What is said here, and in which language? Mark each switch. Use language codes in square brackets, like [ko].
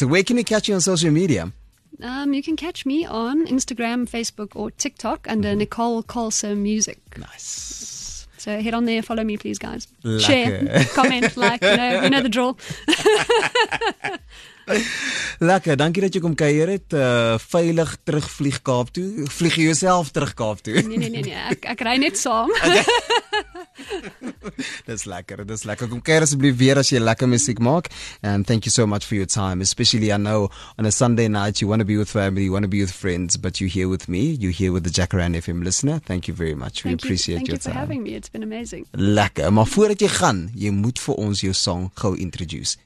[en] So where can we catch you on social media? You can catch me on Instagram, Facebook, or TikTok under Nicole Colson Music. Nice. So head on there, follow me, please, guys. [af] Lacka. [en] Share, comment, like, you know the drill. [af] Lekker, dankie dat jy kom kuier het. Veilig terugvlieg Kaap toe. Vlieg jouself terug Kaap toe. Nee, ek ry net saam. Dis lekker. Kom kuier asseblief weer as jy lekker musiek maak. [en] And thank you so much for your time. Especially I know on a Sunday night you want to be with family, you want to be with friends, but you're here with me, you're here with the Jacaranda FM listener. Thank you very much. Thank We appreciate you. Thank you for having me. It's been amazing. [af] Lekker. Maar voordat jy gaan, jy moet vir ons jou song gou introduce.